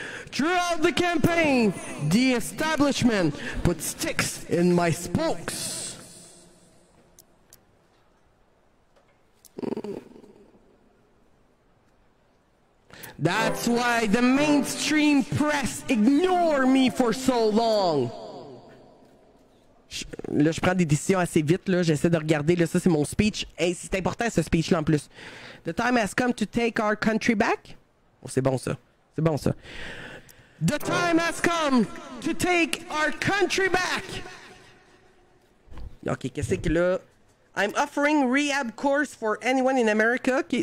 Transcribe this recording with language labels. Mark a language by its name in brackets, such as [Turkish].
[English] Throughout the campaign, the establishment put sticks in my spokes. That's why the mainstream press ignore me for so long. [French] là, je prends des décisions assez vite, là. J'essaie de regarder, là, ça, c'est mon speech. Hey, c'est important, ce speech-là, en plus. [English] The time has come to take our country back. [French] Oh, c'est bon, ça. [English] C'est bon, ça. The time has come to take our country back. [French] OK, qu'est-ce que là? [English] I'm offering rehab course for anyone in America. Okay.